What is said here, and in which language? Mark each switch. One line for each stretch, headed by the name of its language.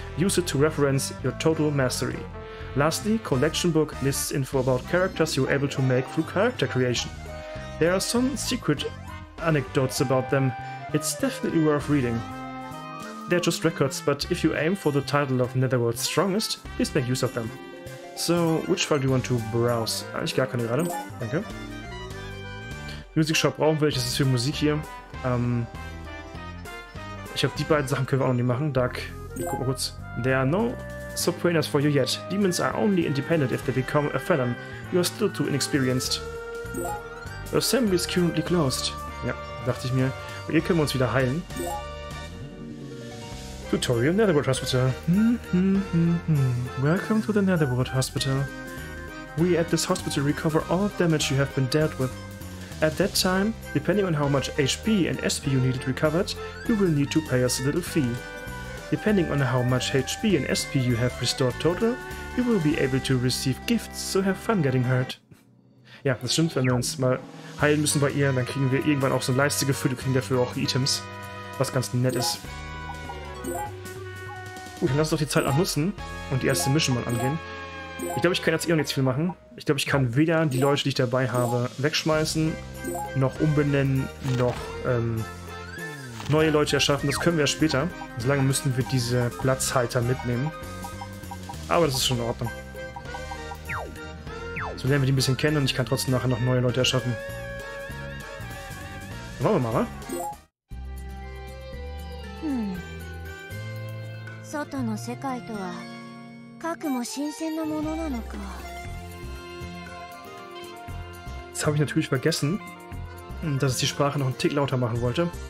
English: Use it to reference your total mastery. Lastly, collection book lists info about characters you're able to make through character creation. There are some secret anecdotes about them. It's definitely worth reading. They're just records, but if you aim for the title of Netherworld's strongest, please make use of them. So, which file do you want to browse?
German: Eigentlich gar keine gerade. Danke. Music Shop brauchen wir, das ist für Musik hier. Ich glaube, die beiden Sachen können wir auch noch nicht machen. Dark, ich guck mal kurz.
English: There are no Sopranos for you yet. Demons are only independent if they become a felon. You are still too inexperienced. The assembly is currently closed.
German: Ja, dachte ich mir. Aber hier können wir uns wieder heilen.
English: Tutorial Netherworld Hospital. Welcome to the Netherworld Hospital. We at this hospital recover all damage you have been dealt with. At that time, depending on how much HP and SP you needed recovered, you will need to pay us a little fee. Depending on how much HP and SP you have restored total, you will be able to receive gifts, so have fun getting hurt.
German: Ja, das stimmt, wenn wir uns mal heilen müssen bei ihr, dann kriegen wir irgendwann auch so eine Leiste gefüllt und kriegen dafür auch Items, was ganz nett ist. Gut, dann lass uns doch die Zeit noch nutzen und die erste Mission mal angehen. Ich glaube, ich kann jetzt eh noch nicht viel machen. Ich glaube, ich kann weder die Leute, die ich dabei habe, wegschmeißen, noch umbenennen, noch neue Leute erschaffen. Das können wir ja später. Solange müssten wir diese Platzhalter mitnehmen. Aber das ist schon in Ordnung. So lernen wir die ein bisschen kennen und ich kann trotzdem nachher noch neue Leute erschaffen. Dann wollen wir mal, wa?
Japanese: 世界とは核も新鮮なものなのか。
German: Das habe ich natürlich vergessen, dass ich die Sprache noch einen Tick lauter machen wollte.